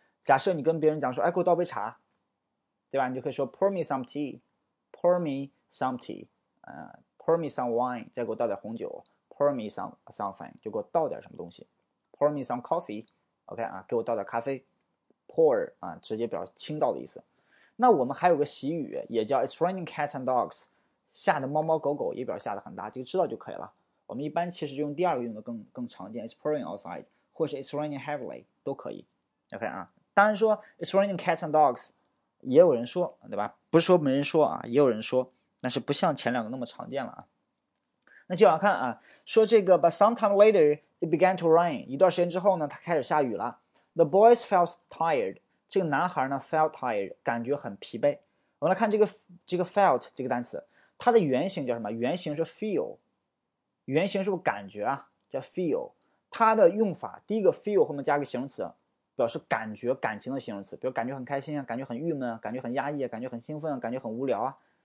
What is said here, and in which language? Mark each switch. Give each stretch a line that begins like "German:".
Chinese: 假设你跟别人讲说，哎，给我倒杯茶，对吧？你就可以说
English: pour me some tea，
Chinese: pour me some tea，
English: pour me some wine，
Chinese: 再给我倒点红酒，pour me some something，就给我倒点什么东西，
English: pour me some coffee，
Chinese: OK 啊，给我倒点咖啡，pour 啊，直接表示倾倒的意思。那我们还有个习语，也叫
English: it's raining cats and dogs，
Chinese: 下的猫猫狗狗也表示下的很大，就知道就可以了。我们一般其实用第二个用的更常见，
English: It's pouring outside，
Chinese: 或是
English: It's raining heavily
Chinese: 都可以。 OK 啊，当然说
English: It's raining cats and dogs，
Chinese: 也有人说，对吧？不是说没人说啊，也有人说，但是不像前两个那么常见了啊。那就要看啊，说这个
English: But sometime later it began to rain，
Chinese: 一段时间之后呢，它开始下雨了。
English: The boys felt tired，
Chinese: 这个男孩呢 felt tired，感觉很疲惫。我们来看这个 felt 这个单词，它的原型叫什么？原型是 feel。原型是不是感觉啊？叫 feel，它的用法，第一个 feel 后面加个形容词，表示感觉、感情的形容词，比如感觉很开心啊，感觉很郁闷啊，感觉很压抑啊，感觉很兴奋啊，感觉很无聊啊，